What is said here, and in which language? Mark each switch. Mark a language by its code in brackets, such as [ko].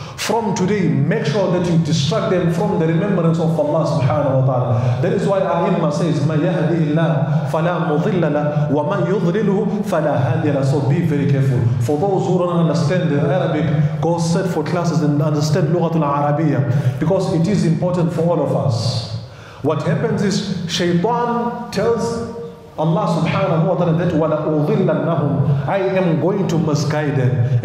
[en] From today, make sure that you distract them from the remembrance of Allah subhanahu wa ta'ala. That is why A'imma says, [ar] مَنْ يَهَدِهِ اللَّهِ فَلَا مُضِلَّ لَهُ وَمَنْ يُضْلِلُهُ فَلَا هَدِيَ لَهُ. [en] So be very careful. For those who don't understand the Arabic, go sit for classes and understand Lughatul Arabiya, because it is important for all of us. What happens is, Shaytan tells Allah subhanahu wa ta'ala that [ar] وَلَا أُضِلَّ لَهُمْ, [en] I am going to misguide them.